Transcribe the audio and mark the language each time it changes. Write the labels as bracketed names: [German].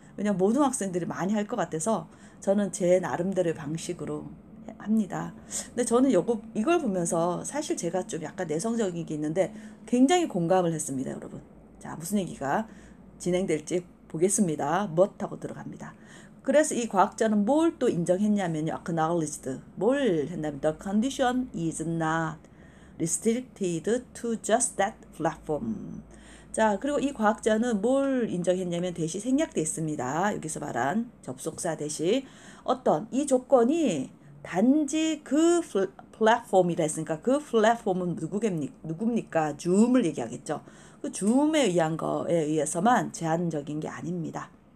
[Korean] 왜냐면 모든 학생들이 많이 할것 같아서 저는 제 나름대로의 방식으로 합니다. 근데 저는 이걸 보면서 사실 제가 좀 약간 내성적인 게 있는데 굉장히 공감을 했습니다, 여러분. 자, 무슨 얘기가 진행될지 보겠습니다. 무엇하고 들어갑니다. 그래서 이 과학자는 뭘또 인정했냐면요. [English] Acknowledged. [Korean] 뭘 했냐면 [English] The condition is not restricted to just that platform. [Korean] 자, 그리고 이 과학자는 뭘 인정했냐면 대시 생략돼 있습니다. 여기서 말한 접속사 대시. 어떤 이 조건이 단지 그 플랫폼이라 했으니까 그 플랫폼은 누굽니까? 줌을 얘기하겠죠. 그 줌에 의한 거에 의해서만 제한적인 게 아닙니다.